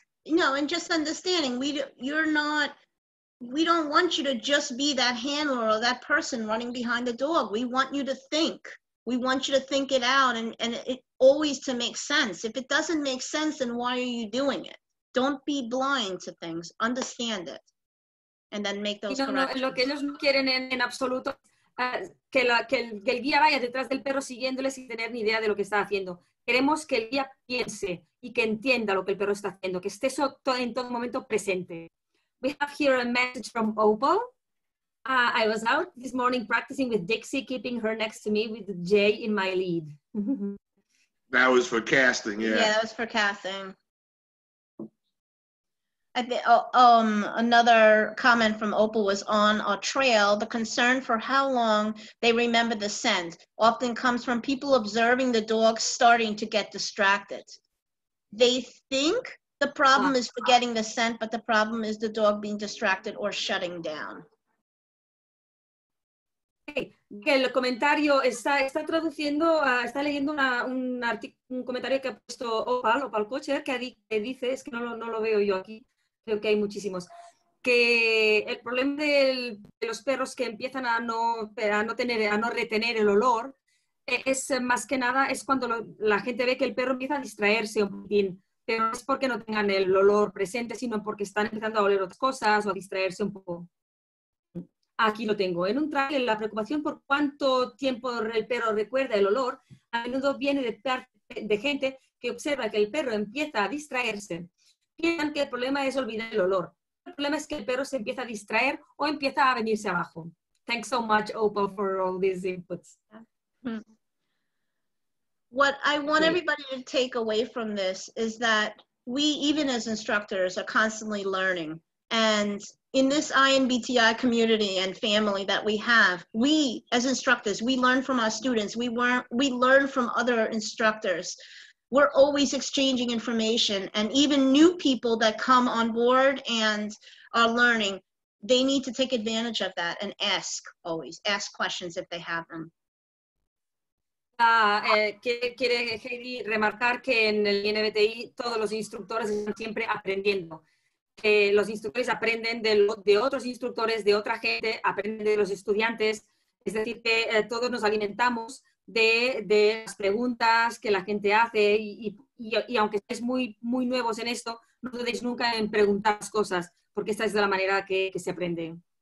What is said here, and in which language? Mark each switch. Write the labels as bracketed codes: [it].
[en] And just understanding, we don't want you to just be that handler or that person running behind the dog. We want you to think. We want you to think it out and it always to make sense. If it doesn't make sense, then why are you doing it? Don't be blind to things. Understand it. And then make those corrections. [es] Lo que ellos no quieren en absoluto que el guía vaya detrás del perro siguiéndole sin tener ni idea de lo que está haciendo. Queremos que el guía piense y que entienda lo que el perro está haciendo, que esté en todo momento presente. [en] We have here a message from Opal. I was out this morning practicing with Dixie, keeping her next to me with Jay in my lead. That was for casting, yeah. Yeah, that was for casting. Another comment from Opal was on a trail, the concern for how long they remember the scent often comes from people observing the dog starting to get distracted. They think the problem is forgetting the scent, but the problem is the dog being distracted or shutting down. Okay. [es] El comentario está traduciendo, está leyendo un comentario que ha puesto Opal Kocher, que dice, es que no lo veo yo aquí, creo que hay muchísimos, que el problema de los perros que empiezan a no retener el olor es más que nada, es cuando la gente ve que el perro empieza a distraerse un poquitín. Pero no es porque no tengan el olor presente, sino porque están empezando a oler otras cosas o a distraerse un poco. Aquí lo tengo. En un trail, la preocupación por cuánto tiempo el perro recuerda el olor a menudo viene de gente que observa que el perro empieza a distraerse. Piensan que el problema es olvidar el olor. El problema es que el perro se empieza a distraer o empieza a venirse abajo. [en] Thanks so much, Opal, for all these inputs. What I want everybody to take away from this is that we, even as instructors, are constantly learning. And in this INBTI community and family that we have, we, as instructors, we learn from our students. We learn from other instructors. We're always exchanging information. And even new people that come on board and are learning, they need to take advantage of that and ask questions if they have them. [es] Quiere Heidi remarcar que en el INBTI todos los instructores están siempre aprendiendo. Los instructores aprenden de otros instructores, de otra gente, aprenden de los estudiantes. Es decir, que todos nos alimentamos de las preguntas que la gente hace y aunque estéis muy, muy nuevos en esto, no dudéis nunca en preguntar las cosas, porque esta es la manera que se aprende.